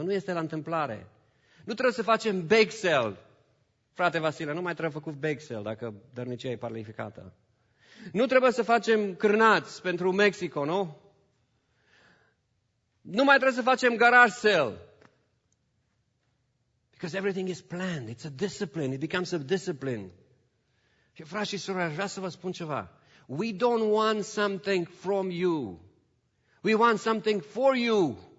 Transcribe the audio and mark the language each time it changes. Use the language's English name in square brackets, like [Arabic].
[Romanian] Nu este la întâmplare. Nu trebuie să facem bake sale. Frate Vasile, nu mai trebuie făcut bake sale dacă dărnicia e planificată. Nu trebuie să facem crnați pentru Mexico, nu? Nu mai trebuie să facem garage sale. [English] Because everything is planned. It's a discipline. It becomes a discipline. [Romanian] Și frați și surori, aș vrea să vă spun ceva. [English] We don't want something from you. We want something for you.